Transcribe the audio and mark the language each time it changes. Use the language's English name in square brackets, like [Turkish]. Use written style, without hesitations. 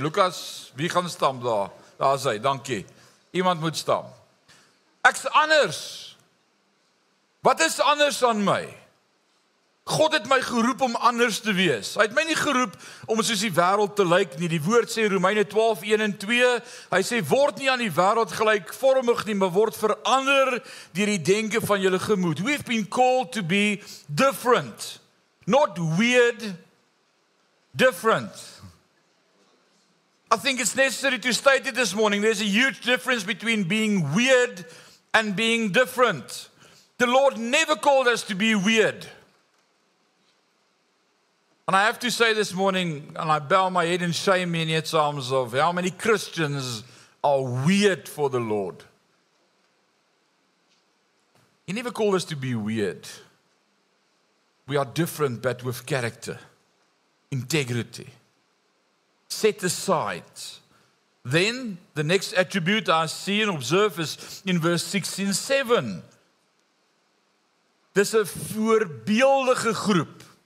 [Afrikaans] Lukas, wie gaan stamp daar? Daar is hy, dankie. Iemand moet stamp. Ek's anders. Wat is anders aan my? God het my geroep om anders te wees. Hy het my nie geroep om soos die wêreld te lyk nie. Die woord sê Romeine 12, 1 en 2. Hy sê, word nie aan die wêreld gelykvormig nie, maar word verander deur die denke van julle gemoed. [English] We've been called to be different. Not weird, different. I think it's necessary to state it this morning. There's a huge difference between being weird and being different. The Lord never called us to be weird. And I have to say this morning, and I bow my head in shame in its arms of how many Christians are weird for the Lord. He never called us to be weird. We are different, but with character, integrity, set aside. Then the next attribute I see and observe is in verse 6 and 7. [Afrikaans] Dis 'n voorbeeldige groep.